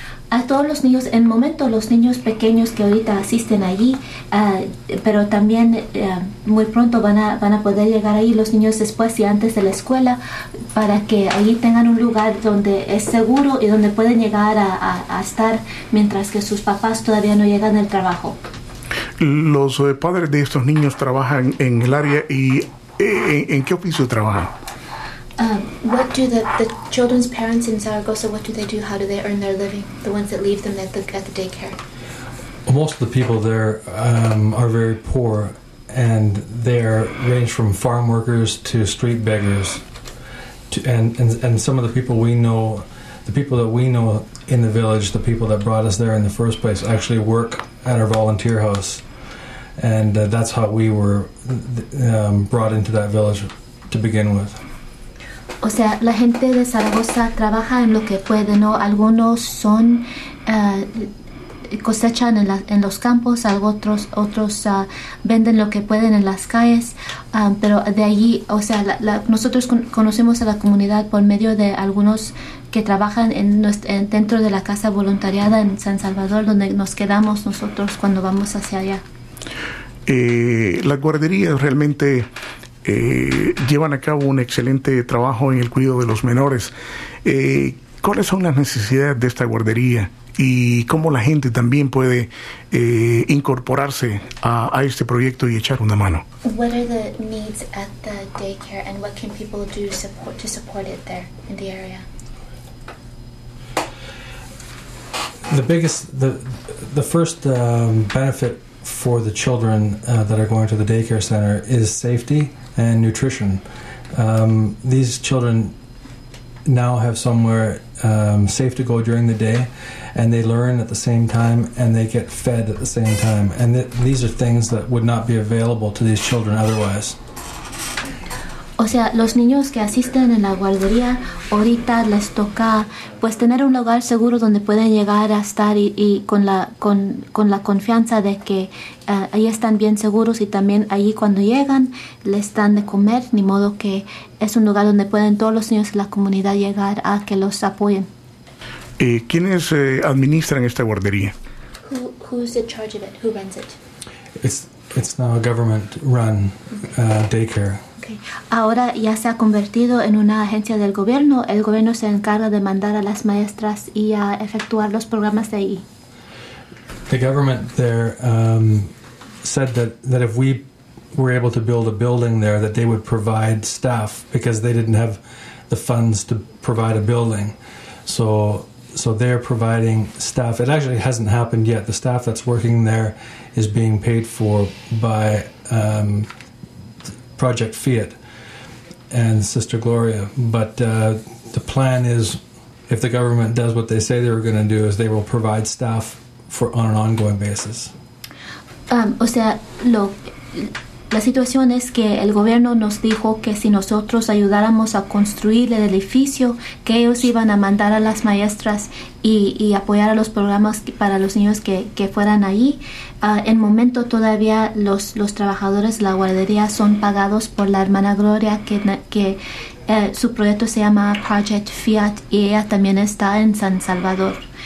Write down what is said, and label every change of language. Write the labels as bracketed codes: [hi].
[es] A todos los niños, en el momento los niños pequeños que ahorita asisten allí, pero también muy pronto van a poder llegar ahí los niños después y antes de la escuela, para que allí tengan un lugar donde es seguro y donde pueden llegar a estar mientras que sus papás todavía no llegan del trabajo. ¿Los padres de estos niños trabajan en el área y en qué oficio trabajan? [en] What do the children's parents in Zaragoza, what do they do? How do they earn their living, the ones that leave them at the daycare? Most of the people there are very poor, and they range from farm workers to street beggars. And some of the people we know, the people that we know in the village, the people that brought us there in the first place, actually work at our volunteer house. And that's how we were brought into that village to begin with. [es] O sea, la gente de Zaragoza trabaja en lo que puede, ¿no? Algunos son cosechan en los campos, otros venden lo que pueden en las calles, pero de allí, o sea, nosotros conocemos a la comunidad por medio de algunos que trabajan dentro de la Casa Voluntariada en San Salvador, donde nos quedamos nosotros cuando vamos hacia allá. La guardería realmente... llevan a cabo un excelente trabajo en el cuidado de los menores. ¿Cuáles son las necesidades de esta guardería y cómo la gente también puede incorporarse a este proyecto y echar una mano? [en] What are the needs at the daycare and what can people do to support it there in the area? The first benefit for the children that are going to the daycare center is safety and nutrition. These children now have somewhere safe to go during the day, and they learn at the same time, and they get fed at the same time. And these are things that would not be available to these children otherwise. [es] O sea, los niños que asisten en la guardería ahorita les toca pues tener un lugar seguro donde pueden llegar a estar y con la confianza de que ahí están bien seguros, y también allí cuando llegan les dan de comer, ni modo que es un lugar donde pueden todos los niños de la comunidad llegar a que los apoyen. ¿Quiénes administran esta guardería? [en] Who's in charge of it? Who runs it? It's now a government run daycare. [es] Ahora ya se ha convertido en una agencia del gobierno. El gobierno se encarga de mandar a las maestras y a efectuar los programas de ahí. [en] The government there said that if we were able to build a building there, that they would provide staff, because they didn't have the funds to provide a building. So they're providing staff. It actually hasn't happened yet. The staff that's working there is being paid for by... Project Fiat and Sister Gloria, but the plan is, if the government does what they say they're going to do, is they will provide staff for on an ongoing basis. [es] La situación es que el gobierno nos dijo que si nosotros ayudáramos a construir el edificio, que ellos iban a mandar a las maestras y apoyar a los programas para los niños que fueran ahí. En momento todavía los trabajadores de la guardería son pagados por la hermana Gloria, que su proyecto se llama Project Fiat, y ella también está en San Salvador.